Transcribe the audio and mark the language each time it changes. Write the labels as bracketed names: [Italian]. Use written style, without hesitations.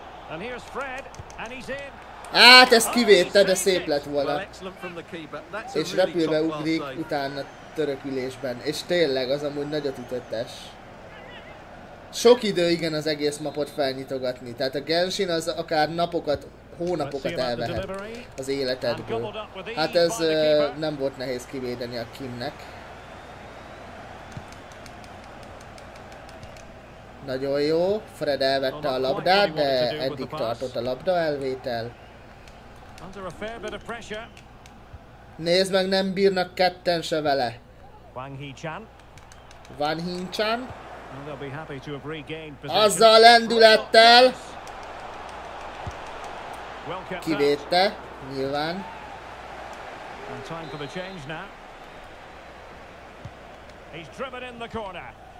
[English] And here's Fred and he's in. [Hungarian] Hát ez kivétel, de szép lett volna. És repülve ugrik utána törökülésben, és tényleg az amúgy nagyot ütöttes. Sok idő igen az egész mapot felnyitogatni, tehát a Genshin az akár napokat, hónapokat elvehet az életedből. Hát ez nem volt nehéz kivédeni a Kimnek. Nagyon jó, Fred elvette a labdát, de eddig tartott a labda elvétel. [English] Under a fair bit of pressure. [Hungarian] Nézd meg, nem bírnak ketten se vele. Wang Hee-chan. Wang Hee-chan. [English] They'll be happy to have regained [Hungarian] position. Azzal lendülettel. Kivédte, nyilván. [English] And time for the change now. He's driven in the corner.